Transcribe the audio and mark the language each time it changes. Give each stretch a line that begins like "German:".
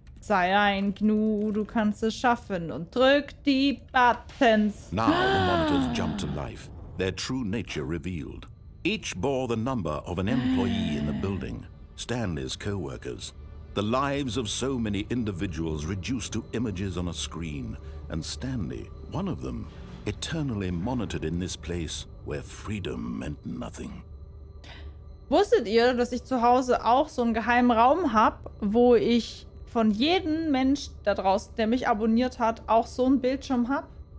German: Sei ein Gnu, du kannst es schaffen und drück die Buttons.
English: Now the monitors jumped to life, their true nature revealed. Each bore the number of an employee in the building, Stanley's co-workers. The lives of so many individuals reduced to images on a screen, and Stanley, one of them, eternally monitored in this place where freedom meant nothing.
German: Wusstet ihr, dass ich zu Hause auch so einen geheimen Raum habe, wo ich von jedem Mensch da draußen, der mich abonniert hat, auch so einen Bildschirm habe?